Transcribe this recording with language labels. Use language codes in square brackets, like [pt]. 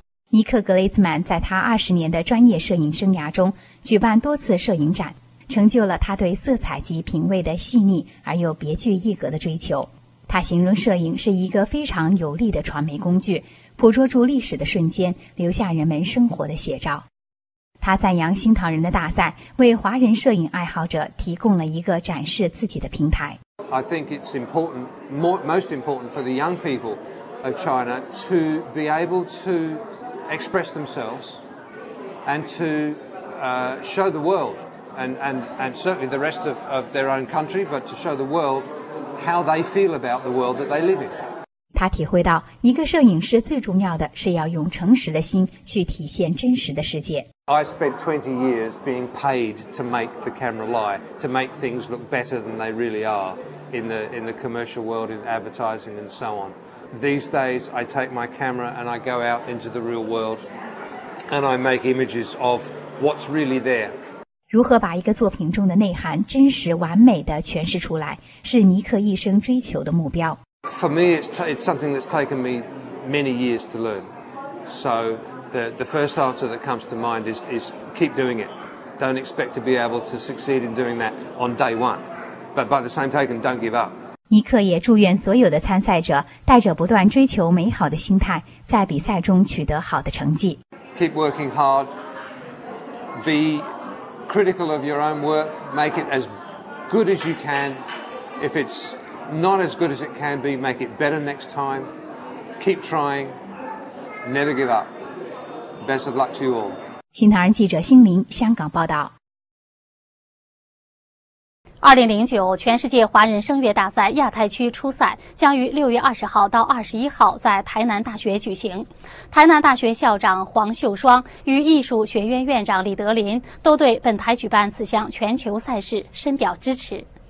[zh] 尼克·格雷斯曼在他20年的专业摄影生涯中举办多次摄影展，成就了他对色彩及品味的细腻而又别具一格的追求。他形容摄影是一个非常有力的传媒工具，捕捉住历史的瞬间，留下人们生活的写照。他赞扬新唐人的大赛为华人摄影爱好者提供了一个展示自己的平台。 [en] I think it's important, most important for the young people of China to be able to express themselves and to show the world and certainly the rest of their own country, but to show the world how they feel about the world that they live in. [zh] 他体会到一个摄影师最重要的是要用诚实的心去体现真实的世界。 [en] I spent 20 years being paid to make the camera lie, to make things look better than they really are in the commercial world, in advertising and so on. These days, I take my camera and I go out into the real world and I make images of what's really there. [zh] 如何把一个作品中的内涵真实完美地诠释出来，是尼克一生追求的目标。 [en] For me, it's something that's taken me many years to learn. So... The first answer that comes to mind is keep doing it. Don't expect to be able to succeed in doing that on day one. But by the same token, don't give up. [zh] 尼克也祝愿所有的参赛者带着不断追求美好的心态，在比赛中取得好的成绩。 [en] Keep working hard. Be critical of your own work. Make it as good as you can. If it's not as good as it can be, make it better next time. Keep trying. Never give up. Best of luck to you all. [zh] 新唐人记者辛林香港报道。 2009全世界华人声乐大赛亚太区初赛将于6月20号到21号在台南大学举行。台南大学校长黄秀双与艺术学院院长李德林都对本台举办此项全球赛事深表支持。